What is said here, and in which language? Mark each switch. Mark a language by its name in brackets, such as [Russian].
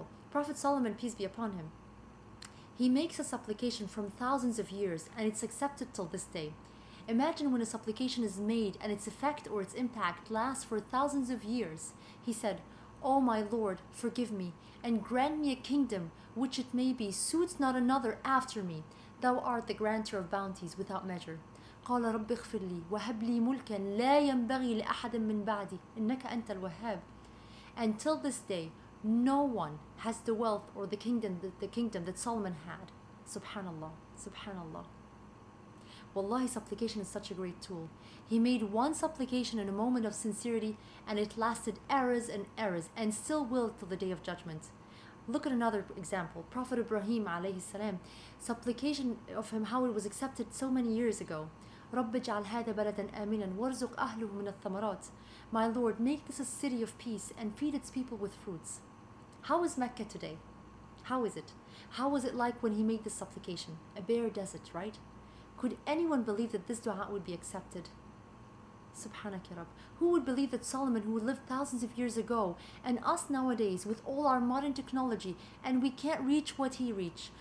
[English] Prophet Solomon, peace be upon him, he makes a supplication from thousands of years and it's accepted till this day. Imagine when a supplication is made and its effect or its impact lasts for thousands of years. He said, "Oh my Lord, forgive me and grant me a kingdom which it may be suits not another after me. Thou art the grantor of bounties without measure." [Arabic] قال رب اغفر لي وهب لي ملكا لا ينبغي لأحد من بعدي إنك أنت الوهاب. [English] Until this day, no one has the wealth or the kingdom that Solomon had. Subhanallah, subhanallah. Wallahi, supplication is such a great tool. He made one supplication in a moment of sincerity and it lasted eras and eras and still will till the day of judgment. Look at another example. Prophet Ibrahim alayhi salam, supplication of him, how it was accepted so many years ago. [Arabic] رب اجعل هذا بلدا آمنا وارزق أهله من الثمرات. [English] My Lord, make this a city of peace and feed its people with fruits. How is Mecca today? How is it? How was it like when he made this supplication? A bare desert, right? Could anyone believe that this dua would be accepted? Subhanak ya Rab. Who would believe that Solomon, who lived thousands of years ago, and us nowadays with all our modern technology, and we can't reach what he reached.